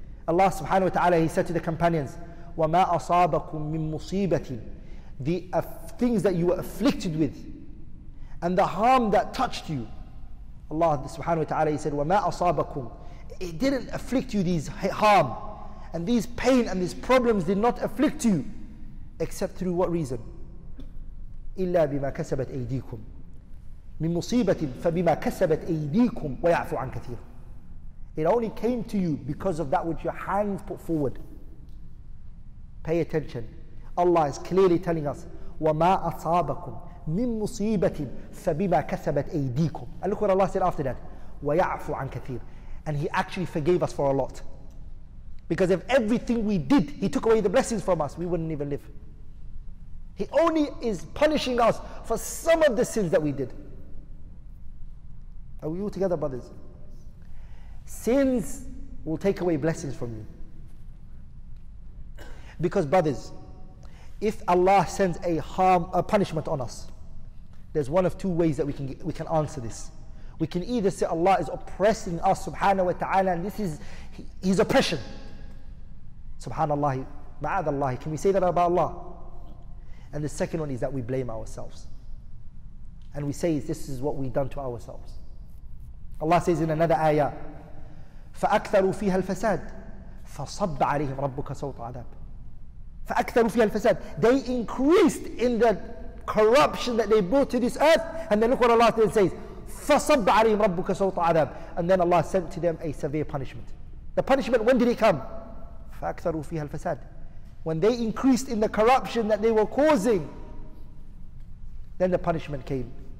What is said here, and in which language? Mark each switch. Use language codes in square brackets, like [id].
[en] Allah subhanahu wa ta'ala, he said to the companions, [ar] وَمَا أَصَابَكُم مِّن مُصِيبَةٍ, [en] the things that you were afflicted with and the harm that touched you, Allah subhanahu wa ta'ala, he said, [ar] وَمَا أَصَابَكُم, [en] it didn't afflict you, these harm and these pain and these problems did not afflict you, except through what reason? [ar] إِلَّا بِمَا كَسَبَتْ أَيْدِيكُمْ مِن مُصِيبَةٍ فَبِمَا كَسَبَتْ أَيْدِيكُمْ وَيَعْفُ عَنْ كَثِيرٍ. [en] It only came to you because of that which your hands put forward. Pay attention. Allah is clearly telling us, [ar] وَمَا أَصَابَكُمْ مِن مُصِيبَةٍ فَبِمَا كَسَبَتْ أَيْدِيكُمْ. [en] And look what Allah said after that, [ar] وَيَعْفُ عَنْ كَثِيرٍ. [en] And He actually forgave us for a lot. Because of everything we did, He took away the blessings from us, we wouldn't even live. He only is punishing us for some of the sins that we did. Are we all together, brothers? Sins will take away blessings from you. Because brothers, if Allah sends a punishment on us, there's one of two ways that we can answer this. We can either say Allah is oppressing us, subhanahu wa ta'ala, and this is His oppression. Subhanallah, ma'adallah, can we say that about Allah? And the second one is that we blame ourselves. And we say, this is what we've done to ourselves. Allah says in another ayah, [ar] فَأَكْثَرُوا فِيهَا الْفَسَادِ فَصَبَّ عَلَيْهِمْ رَبُّكَ سَوْطَ عَذَابٍ. فَأَكْثَرُوا فِيهَا الْفَسَادِ, [en] they increased in the corruption that they brought to this earth. And then look what Allah says, [ar] فَصَبَّ عَلَيْهِمْ رَبُّكَ سَوْطَ عَذَابٍ. [en] And then Allah sent to them a severe punishment. The punishment, when did it come? [ar] فَأَكْثَرُوا فِيهَا الْفَسَادِ, [en] when they increased in the corruption that they were causing, then the punishment came.